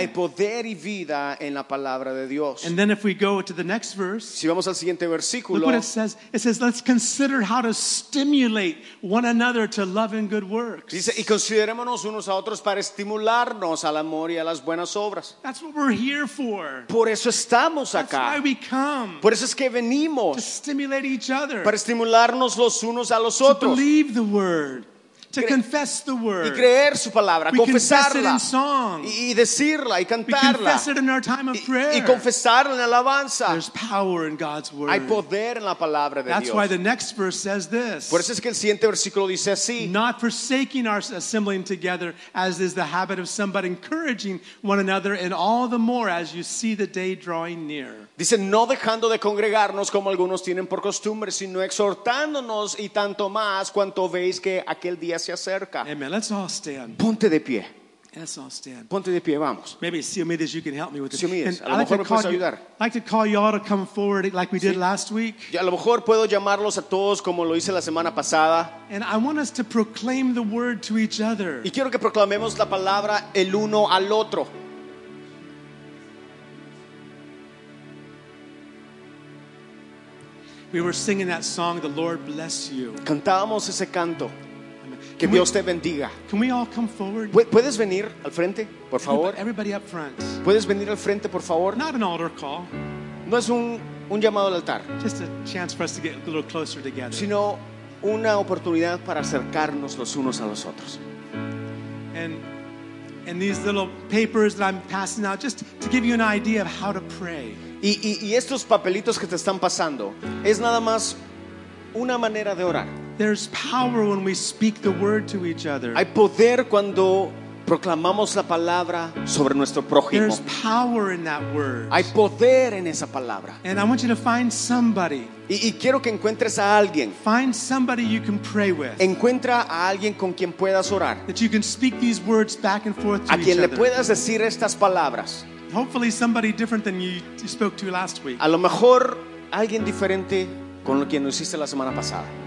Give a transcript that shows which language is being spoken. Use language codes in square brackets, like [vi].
[es] Hay poder y vida en la palabra de Dios. [en] And then if we go to the next verse. [es] Si vamos al siguiente versículo. [en] Look what it says. It says, let's consider how to stimulate one another to love and good works. [es] Dice, y considerémonos unos a otros para estimularnos al amor y a las buenas obras. [en] That's what we're here for. [es] Por eso estamos [en] That's [es] acá. [en] That's why we come. [es] Por eso es que venimos. [en] To stimulate each other. [es] Para estimularnos los unos a los otros. [en] To believe the word. To confess the word. [es] Y creer su palabra, [en] we [es] confesarla. [en] Confess it in song. [es] Y decirla y cantarla. [en] We confess it in our time of prayer. [es] Y confesarla en alabanza. [en] There's power in God's word. [es] Hay poder en la palabra de [en] That's [es] Dios. [en] Why the next verse says this. [es] Por eso es que el siguiente versículo dice así. [en] Not forsaking our assembling together as is the habit of some, but encouraging one another and all the more as you see the day drawing near. [es] Dice, no dejando de congregarnos como algunos tienen por costumbre, sino exhortándonos y tanto más cuanto veis que aquel día se acerca. [en] Amen. Let's all stand. [es] Ponte de pie. [en] Let's all stand. [es] Ponte de pie, vamos. [en] Maybe Siomides, you can help me with this. [es] Siomides, a lo mejor me puedes ayudar. [en] I'd like to call you all to come forward like we did last week. [es] A lo mejor puedo llamarlos a todos como lo hice la semana pasada. [en] And I want us to proclaim the word to each other. [es] Y quiero que proclamemos la palabra el uno al otro. [en] We were singing that song, "The Lord Bless You." [es] Cantábamos ese canto, que Dios te bendiga. [en] Can we all come forward? [es] Puedes venir al frente, por favor. [en] Everybody up front. [es] Puedes venir al frente, por favor. [en] Not an altar call. [es] No es un llamado al altar. [en] Just a chance for us to get a little closer together. [es] Sino una oportunidad para acercarnos los unos a los otros. [en] And these little papers that I'm passing out, just to give you an idea of how to pray. [es] Y estos papelitos que te están pasando es nada más una manera de orar. [en] There's power when we speak the word to each other. [es] Hay poder cuando proclamamos la palabra sobre nuestro prójimo. [en] There's power in that word. [es] Hay poder en esa palabra. [en] And I want you to find somebody. [es] Y quiero que encuentres a alguien. [en] Find somebody you can pray with. [es] Encuentra a alguien con quien puedas orar. [en] That you can speak these words back and forth to each other. [es] A quien le puedas decir estas palabras. [en] Hopefully somebody different than you spoke to last week. [es] A lo mejor alguien diferente con lo que nos hiciste la semana pasada.